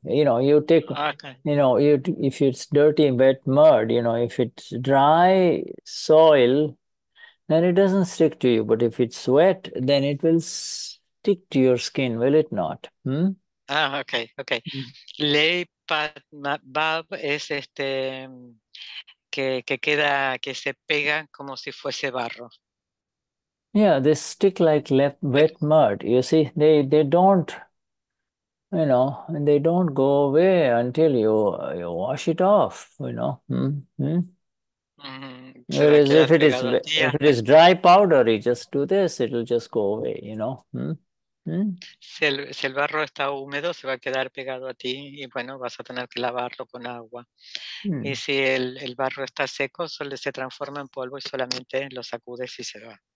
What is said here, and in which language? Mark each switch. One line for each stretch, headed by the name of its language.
English: You know, you take, you know, you if it's dirty wet mud, you know, if it's dry soil, then it doesn't stick to you. But if it's wet, then it will stick to your skin, will it not?
Spanish: Ley Padmabab es este que queda que se pega como si fuese barro.
English: Yeah, they stick like wet mud. You see, they don't, you know, they don't go away until you wash it off, you know.
Spanish: Se va a
English: Whereas
Spanish: quedar pegado días.
English: if it is dry powder, you just do this, it'll just go away, you know.
Spanish: Si el barro está húmedo, se va a quedar pegado a ti y bueno, vas a tener que lavarlo con agua. Y si el barro está seco, solo se transforma en polvo y solamente lo sacudes y se va.